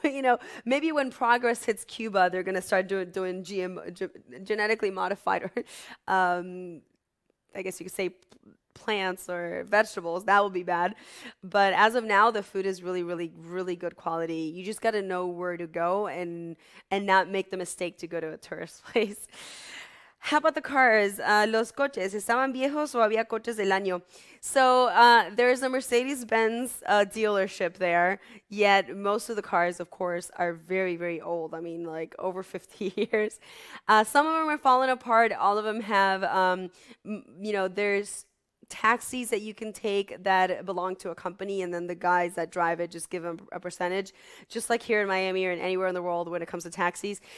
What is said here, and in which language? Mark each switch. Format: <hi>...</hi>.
<en>You know, maybe when progress hits Cuba, they're gonna start doing GMO, genetically modified, or I guess you could say plants or vegetables. That would be bad. But as of now, the food is really, really, really good quality. You just gotta know where to go and not make the mistake to go to a tourist place. How about the cars?</en> <es>Los coches, ¿estaban viejos o había coches del año?</es> <en>So there's a Mercedes-Benz dealership there, yet most of the cars, of course, are very, very old. I mean, like over 50 years. Some of them are falling apart. All of them have, you know, there's taxis that you can take that belong to a company, and then the guys that drive it just give them a percentage, just like here in Miami or in anywhere in the world when it comes to taxis.</en>